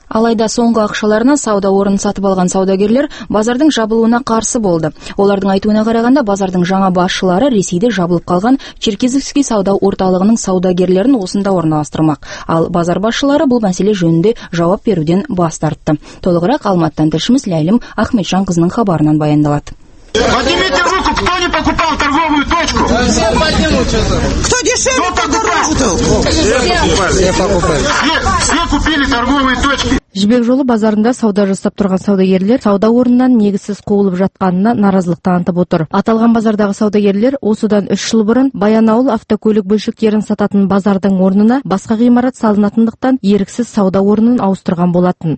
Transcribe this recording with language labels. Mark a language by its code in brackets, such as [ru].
[kk] Алайда соңғы ақшаларына сауда орнын сатып алған саудагерлер базардың жабылуына қарсы болды. Олардың айтуына қарағанда, базардың жаңа басшылары Ресейде жабылып қалған Черкизовский сауда орталығының саудагерлерін осында орналастырмақ. Ал базар басшылары бұл мәселе жөнінде жауап беруден бас тартты. Толығырақ Алматыдан тілшіміз Ләйлім Ахметжанқызының хабарынан баяндалады. [ru] Поднимите руку, кто не покупал торговую точку? Все поднимут что-то. Кто дешевле покупал? Все покупали. Все купили торговые точки. [kk] Жібек жолы базарында сауда жасап тұрған саудагерлер сауда орнынан негізсіз қуылып жатқанына наразылық танытып отыр. Аталған базардағы саудагерлер осыдан 3 жыл бұрын Баянауыл автокөлік бөлшектерін сататын базардың орнына басқа ғимарат салынатындықтан еріксіз сауда орнын ауыстырған болатын.